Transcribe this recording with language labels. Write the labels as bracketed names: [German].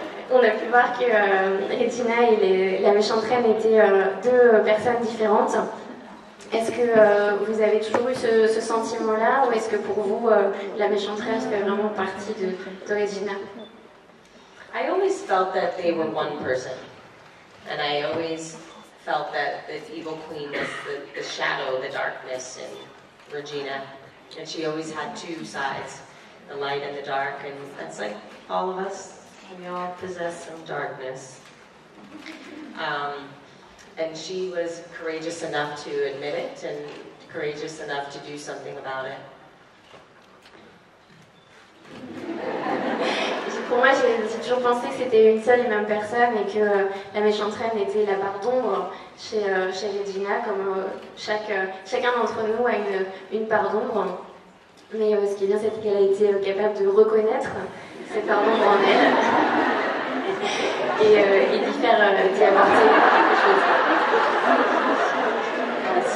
[French] On a pu voir que Regina et la méchante reine étaient deux personnes différentes. Est-ce que vous avez toujours eu ce sentiment-là, ou est-ce que pour vous la méchante reine fait vraiment partie de Regina? [English] I always felt that they were one person, and I always felt that the evil queen was the shadow, the darkness in Regina, and she always had two sides, the light and the dark, and that's like all of us. We all possess some darkness. And she was courageous enough to admit it and courageous enough to do something about it. [French] Pour moi, j'ai toujours pensé que c'était une seule et même personne et que la méchante reine était la part d'ombre chez Regina, comme chacun d'entre nous a une part d'ombre. Mais ce qui est bien, c'est qu'elle a été capable de reconnaître cette part d'ombre en elle et d'y faire d'y apporter quelque chose.